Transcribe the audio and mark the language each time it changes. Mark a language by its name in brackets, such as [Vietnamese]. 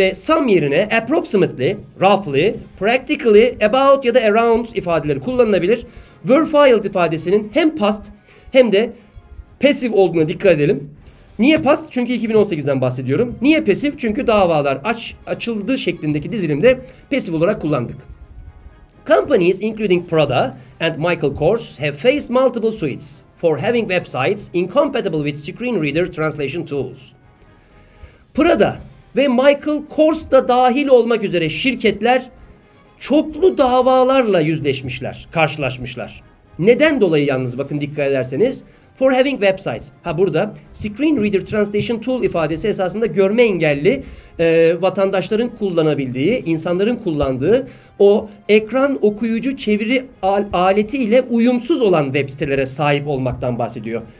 [Turkish] Ve some yerine approximately, roughly, practically, about ya da around ifadeleri kullanılabilir. Were filed ifadesinin hem past hem de passive olduğuna dikkat edelim. Niye past? Çünkü 2018'den bahsediyorum. Niye passive? Çünkü davalar açıldığı şeklindeki dizilimde passive olarak kullandık. [English] Companies including Prada and Michael Kors have faced multiple suits for having websites incompatible with screen reader translation tools. [Turkish] Prada ve Michael Kors da dahil olmak üzere şirketler çoklu davalarla yüzleşmişler, karşılaşmışlar. Neden dolayı yalnız bakın dikkat ederseniz. [English] For having websites. [Turkish] Ha burada screen reader translation tool ifadesi esasında görme engelli vatandaşların kullanabildiği, insanların kullandığı o ekran okuyucu çeviri aletiyle uyumsuz olan web sitelere sahip olmaktan bahsediyor.